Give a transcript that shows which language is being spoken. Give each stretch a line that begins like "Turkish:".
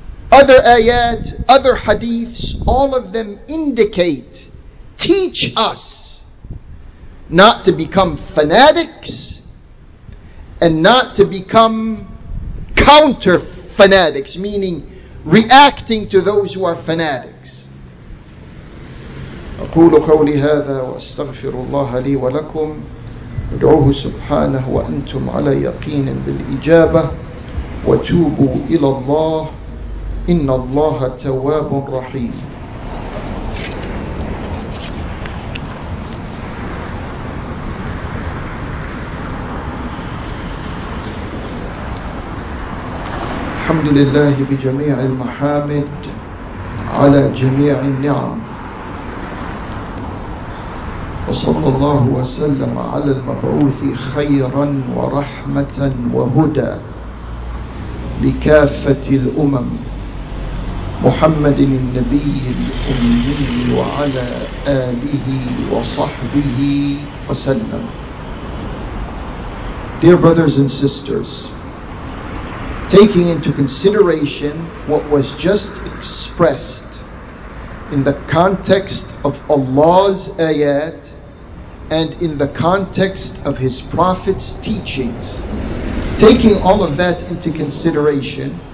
English: Other ayat, other hadiths, all of them indicate, teach us not to become fanatics and not to become counter fanatics, meaning reacting to those who are fanatics.
Arabic: أقول قولي هذا وأستغفر الله لي ولكم أدعوه سبحانه وأنتم على يقين بالإجابة وتوبوا إلى الله إن الله تواب رحيم. الحمد لله بجميع المحامد. على جميع النعم، وصلى الله وسلم على المبعوث خيرا ورحمة وهدى لكافة الأمم محمد النبي الأمي وعلى آله وصحبه وسلم.
English: Dear brothers and sisters, taking into consideration what was just expressed in the context of Allah's ayat and in the context of His Prophet's teachings, taking all of that into consideration,